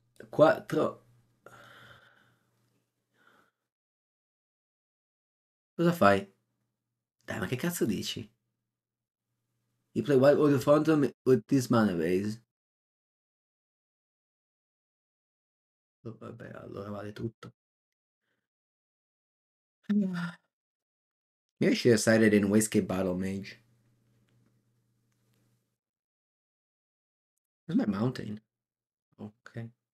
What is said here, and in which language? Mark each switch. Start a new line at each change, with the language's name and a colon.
Italian: Quattro. Cosa fai? Dai, ma che cazzo dici?
English: You play White Order Phantom with this mana base.
Italian: Vabbè, allora vale tutto.
English: Maybe I should have sided in Wastegate Battle Mage. Where's my mountain? Okay.